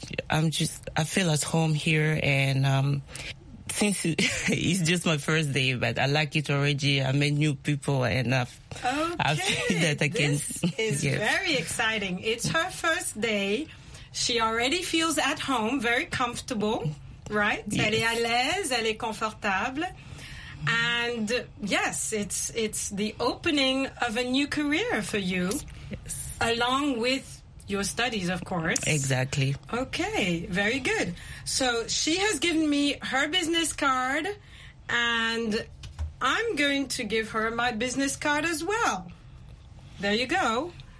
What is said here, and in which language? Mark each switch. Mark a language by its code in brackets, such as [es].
[en] I feel at home here, and since it's just my first day, but I like it already. I met new people, and I feel that I can. This is very exciting. It's her first day. She already feels at home, very comfortable, right? Yes. [fr] Elle est à l'aise, elle est confortable. [en] And yes, it's the opening of a new career for you, along with your studies, of course. Exactly. Okay, very good. So she has given me her business card, and I'm going to give her my business card as well. There you go.